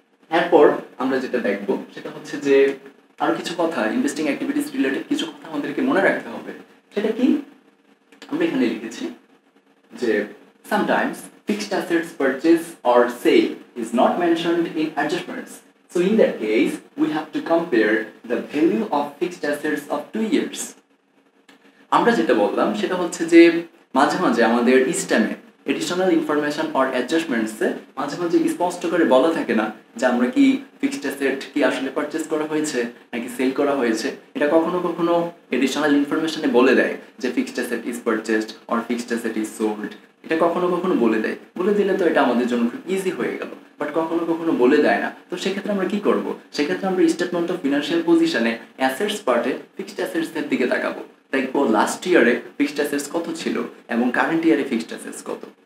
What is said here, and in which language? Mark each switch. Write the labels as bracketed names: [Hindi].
[Bangla] এরপর আমরা যেটা দেখবো সেটা হচ্ছে যে আরও কিছু কথা, ইনভেস্টিং অ্যাক্টিভিটিস রিলেটেড কিছু কথা আমাদেরকে মনে রাখতে হবে, সেটা কি আমরা এখানে লিখেছি যে sometimes [English] fixed assets purchase or sale is not mentioned in adjustments. So in that case, we have to compare the value of fixed assets of 2 years. [Bangla] আমরা যেটা বললাম সেটা হচ্ছে যে মাঝে মাঝে আমাদের স্ট্যামে [English] additional information or adjustments [Bangla] মাঝে মাঝে স্পষ্ট করে বলা থাকে না যে আমরা কি ফিক্সড অ্যাসেট কি আসলে পারচেজ করা হয়েছে নাকি সেল করা হয়েছে। এটা কখনো কখনো additional information-এ বলে দেয় যে [English] fixed asset is purchased or fixed asset is sold, [Bangla] এটা কখনো কখনো বলে দেয়, বলে দিলে তো এটা আমাদের জন্য খুব ইজি হয়ে গেল, বাট কখনো কখনো বলে দেয় না, তো সেক্ষেত্রে আমরা কী করবো, সেক্ষেত্রে আমরা স্টেটমেন্ট অফ ফিনান্সিয়াল পজিশনে অ্যাসেটস পার্টে ফিক্সড অ্যাসেটসের দিকে তাকাবো, দেখবো লাস্ট ইয়ারে ফিক্সড অ্যাসেটস কত ছিল এবং কারেন্ট ইয়ারে ফিক্সড অ্যাসেটস কত,